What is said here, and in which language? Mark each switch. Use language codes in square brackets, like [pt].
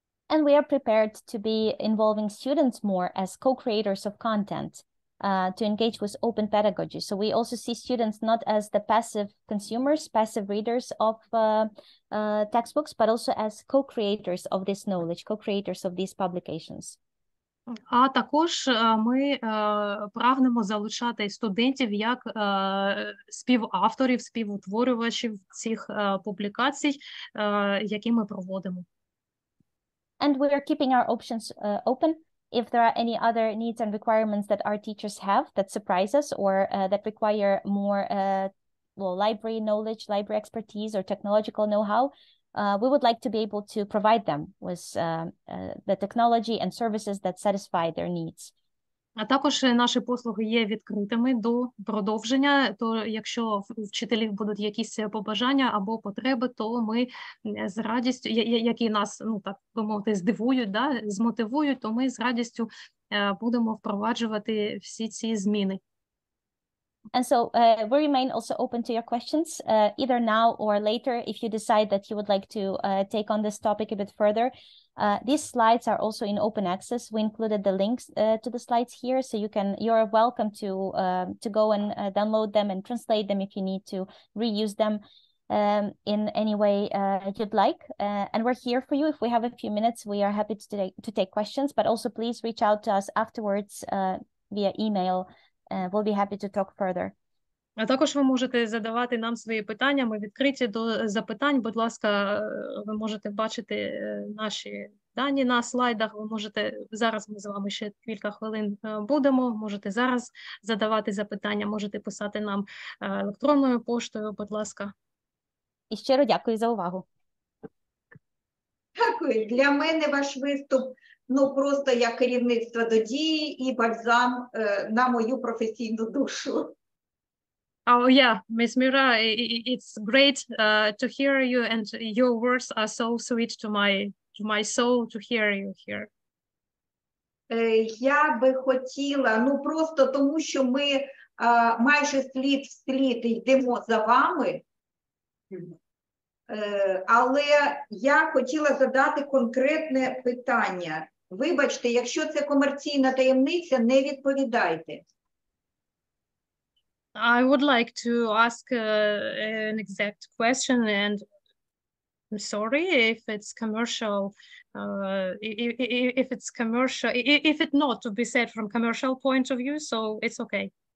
[en] And we are prepared to be involving students more as co-creators of content, to engage with open pedagogy. So we also see students not as the passive consumers, passive readers of textbooks, but also as co-creators of this knowledge, co-creators of these publications. [uk] А також ми прагнемо залучати студентів як співавторів, співутворювачів цих публікацій, які ми проводимо. [en] And we are keeping our options open. If there are any other needs and requirements that our teachers have that surprise us or that require more library knowledge, library expertise or technological know-how, we would like to be able to provide them with the technology and services that satisfy their needs. [uk] А також наші послуги є відкритими до продовження, то якщо у вчителів будуть якісь побажання або потреби, то ми з радістю, які нас, ну так би мовити, здивують, да, змотивують, то ми з радістю будемо впроваджувати всі ці зміни. [en] And so we remain also open to your questions, either now or later, if you decide that you would like to take on this topic a bit further. These slides are also in open access. We included the links to the slides here, so you're welcome to go and download them and translate them if you need to reuse them in any way you'd like. And we're here for you. If we have a few minutes, we are happy to take questions, but also please reach out to us afterwards via email. We'll be happy to talk further. [uk] А також ви можете задавати нам свої питання. Ми відкриті до запитань. Будь ласка, ви можете бачити наші дані на слайдах. Ви можете зараз, ми з вами ще кілька хвилин будемо. Можете зараз задавати запитання, можете писати нам електронною поштою. Будь ласка. І щиро дякую за увагу. Дякую. Для мене ваш виступ, ну, просто як керівництво до дії і бальзам на мою професійну душу. [en] Oh yeah, Miss Mira, it's great to hear you, and your words are so sweet to my soul to hear you here. [uk] Я би хотіла, ну просто тому, що ми майже слід в слід йдемо за вами. Але я хотіла задати конкретне питання. Вибачте, якщо це комерційна таємниця, не відповідайте. [en] I would like to ask an exact question, and I'm sorry if it's commercial, if it's not to be said from commercial point of view, so it's okay.